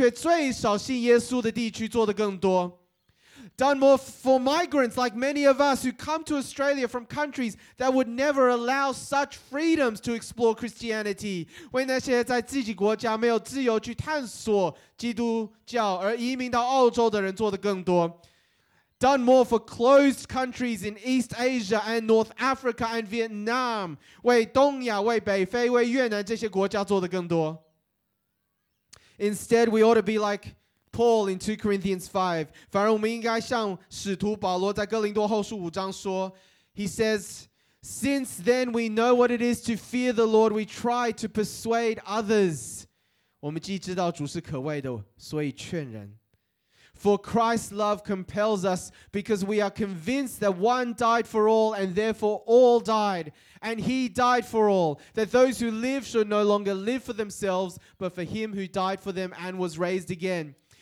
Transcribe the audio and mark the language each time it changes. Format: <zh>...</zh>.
<zh>为悉尼这个充满多元文化却最少信耶稣的地区做得更多.</zh> <en>Done more for migrants like many of us who come to Australia from countries that would never allow such freedoms to explore Christianity.</en> <zh>为那些在自己国家没有自由去探索基督教而移民到澳洲的人做得更多.</zh> <en>done more for closed countries in East Asia and North Africa and Vietnam.</en> <zh>为东亚、为北非、为越南这些国家做的更多.</zh> <en>Instead, we ought to be like Paul in 2 Corinthians 5.</en> <zh>反而我们应该像使徒保罗在哥林多后书五章说,</zh> <en>he says, since then we know what it is to fear the Lord, we try to persuade others.</en> <zh>我们既知道主是可畏的，所以劝人。</zh> <en>For Christ's love compels us because we are convinced that one died for all and therefore all died. And he died for all, that those who live should no longer live for themselves, but for him who died for them and was raised again.</en>